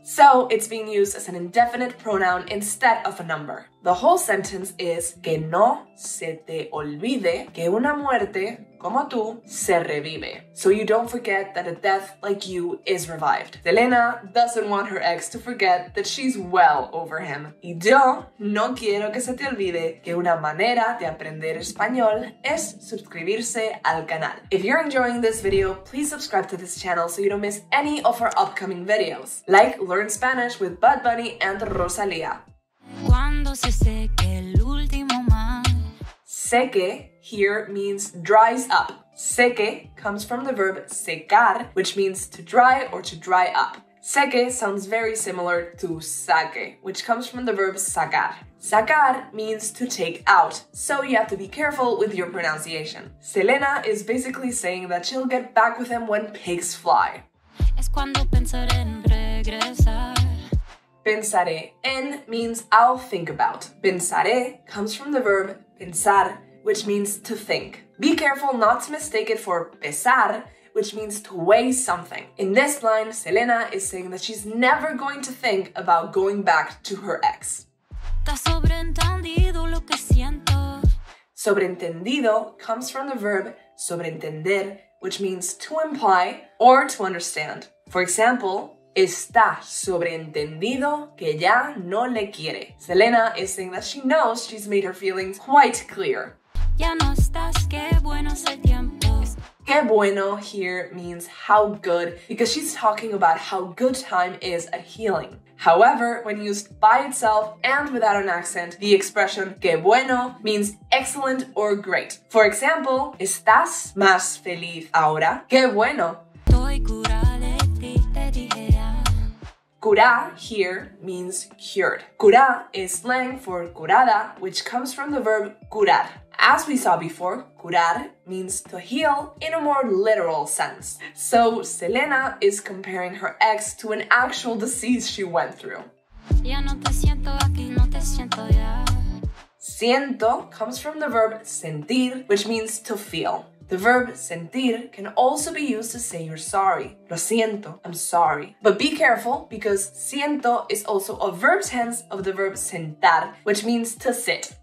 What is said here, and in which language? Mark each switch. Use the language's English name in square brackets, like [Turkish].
[English] So it's being used as an indefinite pronoun instead of a number. The whole sentence is [Spanish] que no se te olvide que una muerte como tú se revive. [English] So you don't forget that a death like you is revived. Selena doesn't want her ex to forget that she's well over him. [Spanish] Y yo no quiero que se te olvide que una manera de aprender español es suscribirse al canal. [English] If you're enjoying this video, please subscribe to this channel so you don't miss any of our upcoming videos, like Learn Spanish with Bad Bunny and Rosalía. [Spanish] Cuando se seque el último mar. Seque [English] here means dries up. Seque comes from the verb secar, which means to dry or to dry up. Seque sounds very similar to saque, which comes from the verb sacar. Sacar means to take out, so you have to be careful with your pronunciation. Selena is basically saying that she'll get back with him when pigs fly. [Spanish] Es cuando pensaré en regresar. [English] Pensaré en means I'll think about. Pensaré comes from the verb pensar, which means to think. Be careful not to mistake it for pesar, which means to weigh something. In this line, Selena is saying that she's never going to think about going back to her ex. Sobreentendido lo que siento. Sobreentendido comes from the verb sobreentender, which means to imply or to understand. For example, [Spanish] está sobreentendido que ya no le quiere. [English] Selena is saying that she knows she's made her feelings quite clear. [Spanish] Ya no estás, qué bueno es el tiempo. [English] Qué bueno here means how good, because she's talking about how good time is at healing. However, when used by itself and without an accent, the expression que bueno means excellent or great. For example, [Spanish] estás más feliz ahora. Qué bueno. Estoy cura de ti, te dije ya. [English] Cura here means cured. Cura is slang for curada, which comes from the verb curar. As we saw before, curar means to heal in a more literal sense. So Selena is comparing her ex to an actual disease she went through. [Spanish] Ya no te siento aquí, no te siento ya. [English] Siento comes from the verb sentir, which means to feel. The verb sentir can also be used to say you're sorry. [Spanish] Lo siento, [English] I'm sorry. But be careful, because siento is also a verb tense of the verb sentar, which means to sit.